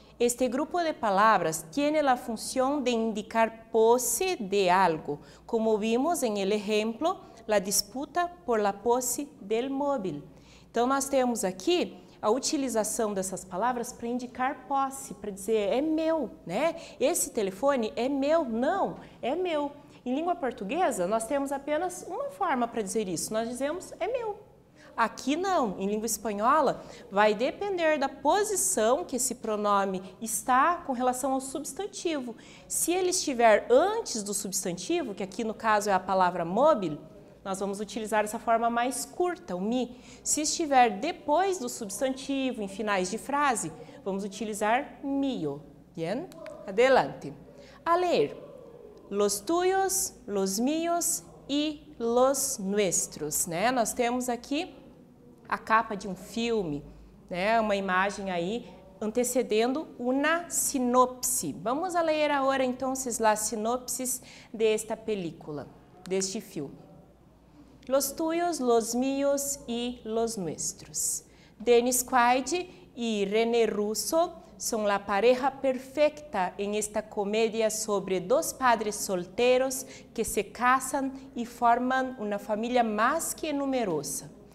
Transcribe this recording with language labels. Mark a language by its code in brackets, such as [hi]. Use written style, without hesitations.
[es] Este grupo de palavras tiene la función de indicar posse de algo, como vimos en el ejemplo, la disputa por la posse del móvil. [pt] Então, nós temos aqui a utilização dessas palavras para indicar posse, para dizer é meu, né? Esse telefone é meu, não, é meu. Em língua portuguesa, nós temos apenas uma forma para dizer isso, nós dizemos é meu. Aqui não, em língua espanhola, vai depender da posição que esse pronome está com relação ao substantivo. Se ele estiver antes do substantivo, que aqui no caso é a palavra móvil, nós vamos utilizar essa forma mais curta, o mi. Se estiver depois do substantivo, em finais de frase, vamos utilizar mio. [es] Bien? Adelante. [pt] A ler. [es] Los tuyos, los míos e los nuestros. [pt] Né? Nós temos aqui a capa de um filme, né? Uma imagem aí antecedendo uma sinopse. Vamos a ler agora, então, as sinopses desta película, deste filme. [es] Los tuyos, los míos y los nuestros. Dennis Quaid y René Russo son la pareja perfecta en esta comedia sobre dos padres solteros que se casan y forman una familia más que numerosa.